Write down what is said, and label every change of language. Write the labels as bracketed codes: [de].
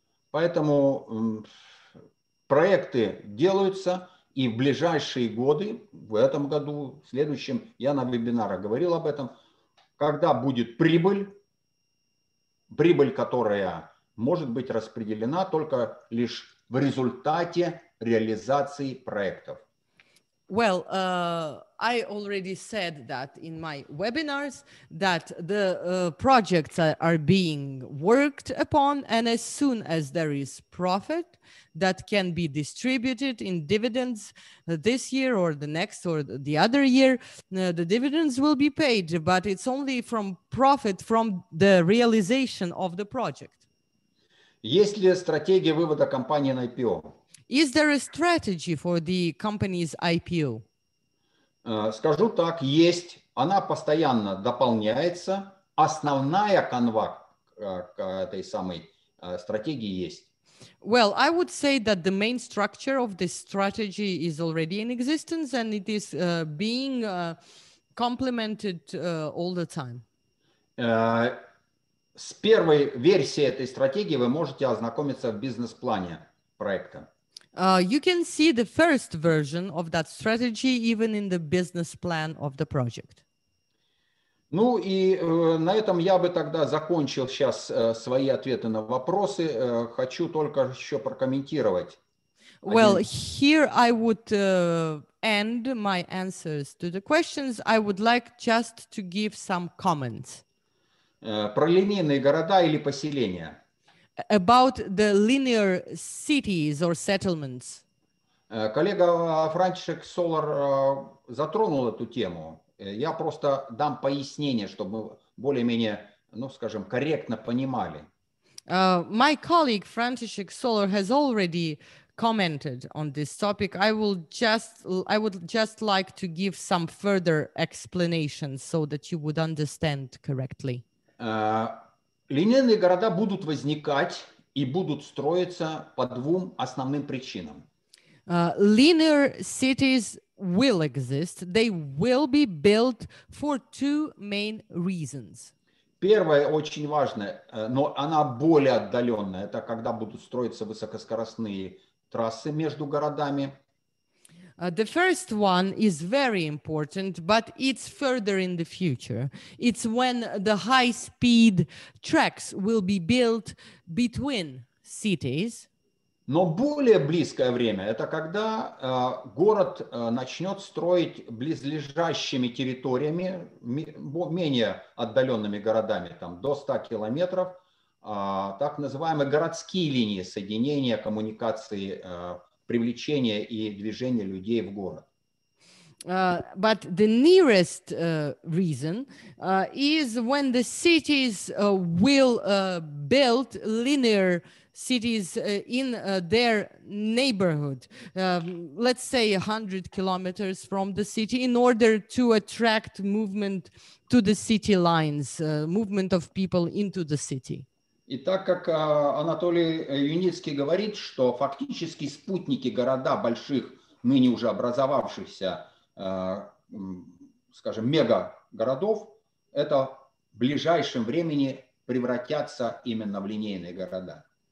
[ru] Поэтому проекты делаются, и в ближайшие годы, в этом году, в следующем, я на вебинарах говорил об этом, когда будет прибыль, которая может быть распределена только лишь в результате реализации проектов. [en] Well, I already said that in my webinars that the projects are being worked upon, and as soon as there is profit that can be distributed in dividends this year or the next or the other year, the dividends will be paid, but it's only from profit from the realization of the project. [ru] Есть ли стратегия вывода компании на IPO? [en] Is there a strategy for the company's IPO? [ru] Скажу так, есть. Она постоянно дополняется. Основная канва к этой самой стратегии есть. [en] Well, I would say that the main structure of this strategy is already in existence, and it is being complemented all the time. [ru] С первой версией этой стратегии вы можете ознакомиться в бизнес-плане проекта. [en] You can see the first version of that strategy even in the business plan of the project. [ru] Ну и на этом я бы тогда закончил сейчас свои ответы на вопросы. Хочу только еще прокомментировать. [en] Well, here I would end my answers to the questions. I would like just to give some comments. [ru] Про линейные города или поселения. [en] About the linear cities or settlements. [ru] Коллега Франчишек Солар затронул эту тему. Я просто дам пояснение, чтобы более-менее, ну, скажем, корректно понимали. [en] My colleague Франчишек Солар has already commented on this topic. I would just like to give some further explanations so that you would understand correctly. [ru] Линейные города будут возникать и будут строиться по двум основным причинам. [en] Linear cities will exist. They will be built for two main reasons. [ru] Первое очень важное, но она более отдаленная, это когда будут строиться высокоскоростные трассы между городами. [en] The first one is very important, but it's further in the future. It's when the high-speed tracks will be built between cities. [ru] Но более близкое время – это когда город начнет строить близлежащими территориями, менее отдаленными городами, там до 100 километров, так называемые городские линии соединения, коммуникации, привлечение и движение людей в город. [en] But the nearest reason is when the cities will build linear cities in their neighborhood. Let's say 100 kilometers from the city in order to attract movement to the city lines, movement of people into the city. [ru] И так как Анатолий Юницкий говорит, что фактически спутники города больших, ныне уже образовавшихся, скажем, мегагородов, это в ближайшем времени превратятся именно в линейные города.